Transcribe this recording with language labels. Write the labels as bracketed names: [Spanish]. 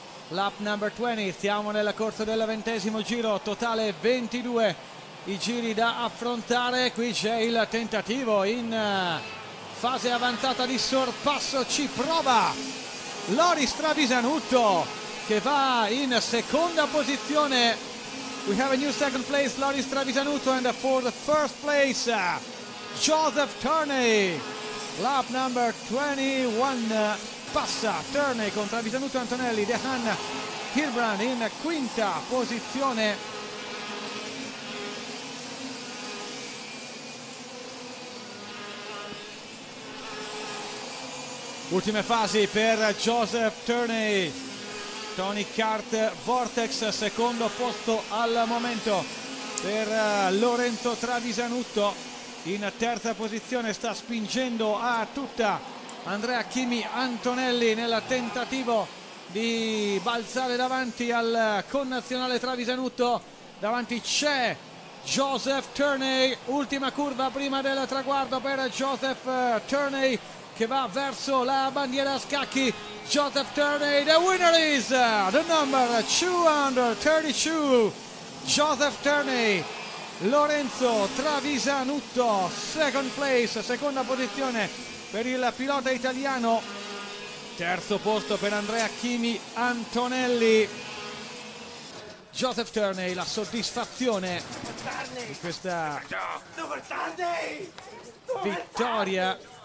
[English] Lap number 20, [Italian] stiamo nella corsa del ventesimo giro, totale 22 i giri da affrontare. Qui c'è il tentativo in fase avanzata di sorpasso, ci prova Loris Travisanutto, che va in seconda posizione. [English] We have a new second place, Loris Travisanutto, and for the first place, Joseph Turney. Lap number 21, [Italian] passa Turney con Travisanutto, Antonelli, De Hanna, Hilbrand in quinta posizione. Ultime fasi per Joseph Turney. Tony Kart Vortex, secondo posto al momento per Lorenzo Travisanutto. In terza posizione sta spingendo a tutta Andrea Chini Antonelli, nel tentativo di balzare davanti al connazionale Travisanutto. Davanti c'è Joseph Turney, ultima curva prima del traguardo per Joseph Turney, che va verso la bandiera a scacchi. [English] Joseph Turney, the winner is the number 232, Joseph Turney. [Italian] Lorenzo Travisanutto, [English] second place, [Italian] seconda posizione per il pilota italiano. Terzo posto per Andrea Chini Antonelli. Joseph Turney, la soddisfazione di questa vittoria.